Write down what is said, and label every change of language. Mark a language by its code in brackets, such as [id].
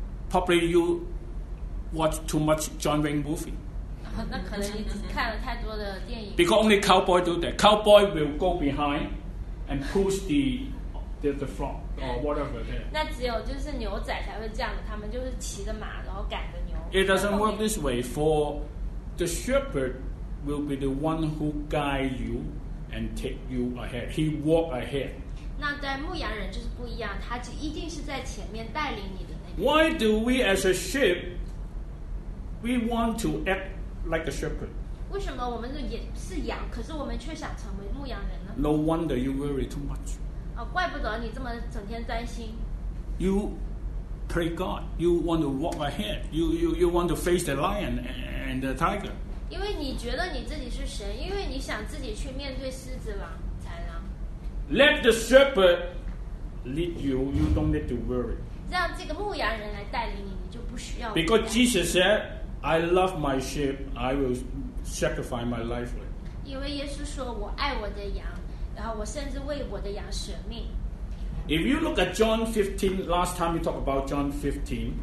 [en] Probably you watch too much John Wayne movie. [zh] 那可能你看了太多的电影。 [en] Because only cowboy do that. Cowboy will go behindand push the flock or whatever there. [zh] 那只有就是牛仔才会这样，他们就是骑着马然后赶着牛。 [en] It doesn't work this way. For the shepherd will be the one who guide you and take you ahead. He walk ahead. [zh] 那在牧羊人就是不一样，他就一定是在前面带领你的那个。 [en] Why do we as a sheep we want to act like a shepherd? [zh] 为什么我们也是羊，可是我们却想成为牧羊人？ [en] No wonder you worry too much. [zh] 怪不得你这么整天担心。 [en] You pray God. You want to walk ahead. You want to face the lion and the tiger. [zh] 因为你觉得你自己是神，因为你想自己去面对狮子狼豺狼。 [en] Let the shepherd lead you. You don't need to worry. [zh] 让这个牧羊人来带领你，你就不需要。 [en] Because Jesus said, "I love my sheep. I will sacrifice my life for it." [zh] 因为耶稣说我爱我的羊，然后我甚至为我的羊舍命。 [en] If you look at John 15, last time we talk about John 15.